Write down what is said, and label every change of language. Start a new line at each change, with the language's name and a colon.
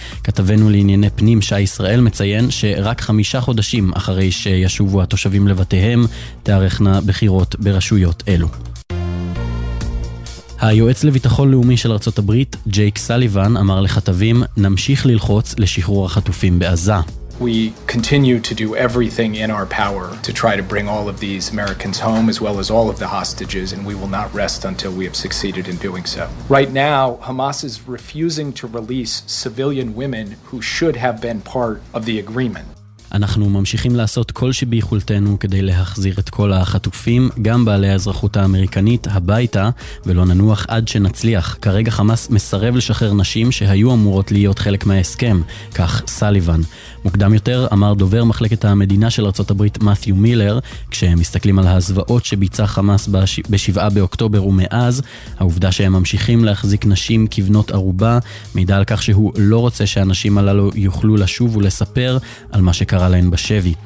Hebrew: כתבנו לענייני פנים שישראל מציין שרק 5 חודשים אחרי שישובו התושבים לבתיהם, תארכנה בחירות ברשויות אלו. היועץ לביטחון לאומי של ארצות הברית, ג'ייק סליבן, אמר לכתבים, נמשיך ללחוץ לשחרור החטופים בעזה.
English: We continue to do everything in our power to try to bring all of these Americans home as well as all of the hostages, and we will not rest until we have succeeded in doing so. Right now, Hamas is refusing to release civilian women who should have been part of the agreement.
Hebrew: אנחנו ממשיכים לעשות כל שביכולתנו כדי להחזיר את כל החטופים, גם בעלי האזרחות האמריקנית, הביתה, ולא ננוח עד שנצליח. כרגע חמאס מסרב לשחרר נשים שהיו אמורות להיות חלק מההסכם, כך סליבן. מוקדם יותר אמר דובר מחלקת המדינה של ארצות הברית מתיו מילר, כשהם מסתכלים על ההזוואות שביצע חמאס בשבעה באוקטובר ומאז, העובדה שהם ממשיכים להחזיק נשים כבנות ערובה, מידע על כך שהוא לא רוצה שהאנשים הללו יוכלו לשוב ולספר על מה שקרה להן בשבי.